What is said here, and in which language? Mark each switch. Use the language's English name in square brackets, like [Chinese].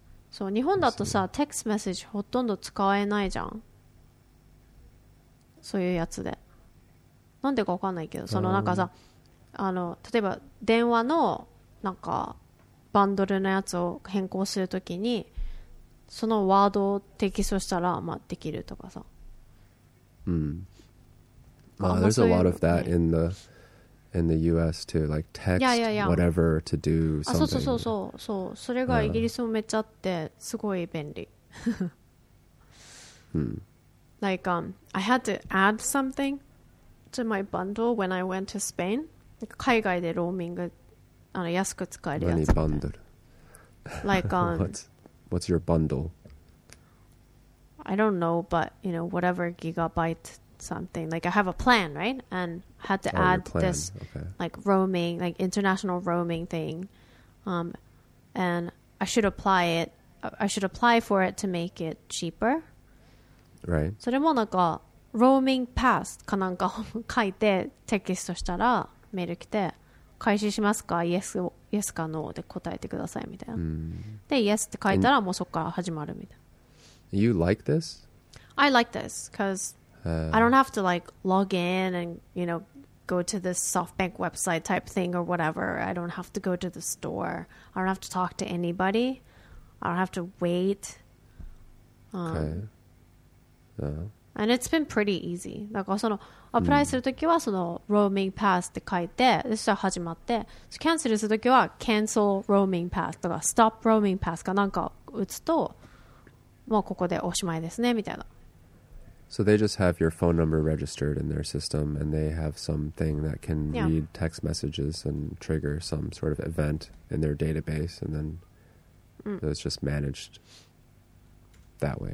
[Japanese] そう、日本だとさ、テキストメッセージほとんど使えないじゃん。そういうやつで。なんでか分かんないけど、そのなんかさ、例えば電話のなんかバンドルのやつを変更するときに、そのワードをテキストしたら、まあできるとかさ。 [English] There's a lot of that in the US too, like text whatever to do something. [Japanese] そうそうそうそう、それがイギリスもめっちゃあってすごい便利。 [English] Like I had to add something to my bundle when I went to Spain. [Japanese] 海外でローミング安く使えるやつ。 [English] Money bundle. Like what's your bundle? I don't know, but you know whatever gigabyte. Something like I have a plan, right? And had to add this like roaming, like international roaming thing. And I should apply for it to make it cheaper, right? So, [Japanese] でもなんか roaming pass かなんか書いてテキストしたらメール来て開始しますか yes, yes かノーで答えてくださいみたいな。で、yes って書いたらもうそこから始まるみたいな。 [English] You like this? I like this because. I don't have to like log in and you know go to this SoftBank website type thing or whatever. I don't have to go to the store. I don't have to talk to anybody. I don't have to wait. And it's been pretty easy. [Japanese] だからそのアプライするときはそのローミングパスって書いて、でそしたら始まって、そのキャンセルするときはキャンセルローミングパスとかストップローミングパスかなんか打つと、もうここでおしまいですねみたいな。 [English] So they just have your phone number registered in their system and they have something that can read text messages and trigger some sort of event in their database and then it's just managed that way.